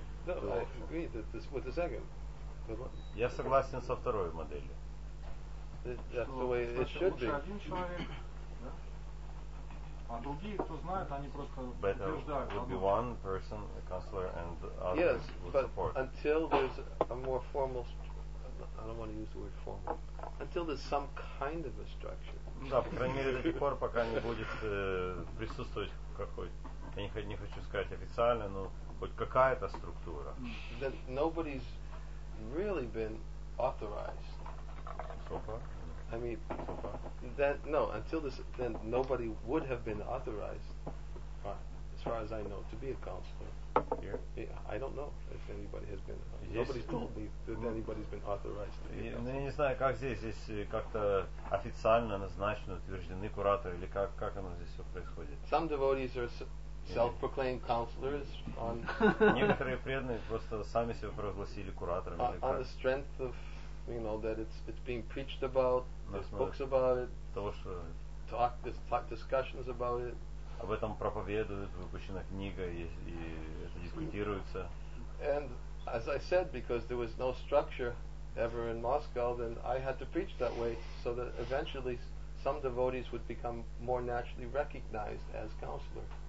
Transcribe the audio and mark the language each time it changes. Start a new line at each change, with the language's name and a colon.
English: No, I agree that this... Wait a second.
Russian: Я согласен со второй моделью.
English: Yes, but support. Until there's a more formal, I don't want to use the word formal, until there's some kind of a structure.
Russian: Да, по крайней мере, до тех пор, пока не будет присутствовать какой-то, я не хочу сказать официально, но хоть какая-то структура.
English: Then nobody's really been authorized. So far? I mean, that no. Until this, then nobody would have been authorized, as far as I know, to be a counselor. Here? Yeah, I don't know if anybody has been. Nobody's told me that anybody's been authorized.
Russian: Я не знаю, как здесь как-то официально назначены, утверждены кураторы или как оно здесь все происходит.
English: Some devotees are self-proclaimed counselors.
Russian: Некоторые преданные просто сами себя провозгласили кураторами.
English: On the strength of. You know that it's being preached about. There's books about it.
Russian: Того, что
English: talk discussions about it.
Russian: Об этом проповедуют, выпущена книга и это дискутируется.
English: And as I said, because there was no structure ever in Moscow, then I had to preach that way so that eventually some devotees would become more naturally recognized as counselor.